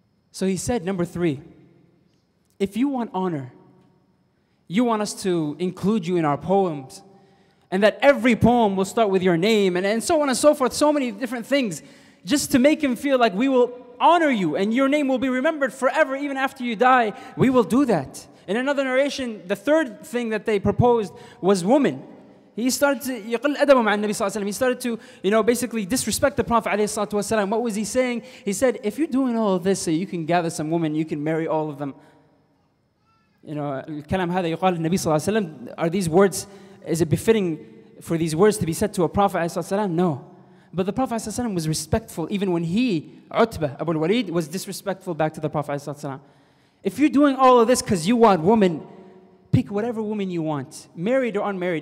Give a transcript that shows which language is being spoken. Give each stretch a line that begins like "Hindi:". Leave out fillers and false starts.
English: So he said, number three, if you want honor, you want us to include you in our poems, and that every poem will start with your name, and so on and so forth, so many different things, just to make him feel like we will honor you, and your name will be remembered forever, even after you die, we will do that. In another narration, the third thing that they proposed was woman. He started to
Arabic: يقل أدبه مع النبي صلى الله عليه وسلم.
English: He started to, you know, basically disrespect the Prophet عليه الصلاة والسلام. What was he saying? He said, if you're doing all of this so you can gather some women, you can marry all of them. You know,
Arabic: الكلام هذا يقال النبي صلى الله عليه وسلم.
English: Are these words, is it befitting for these words to be said to a Prophet عليه الصلاة والسلام? No. But the Prophet عليه الصلاة والسلام was respectful even when he, عتبة, Abu al-Walid, was disrespectful back to the Prophet عليه الصلاة والسلام. If you're doing all of this because you want women, pick whatever woman you want, married or unmarried.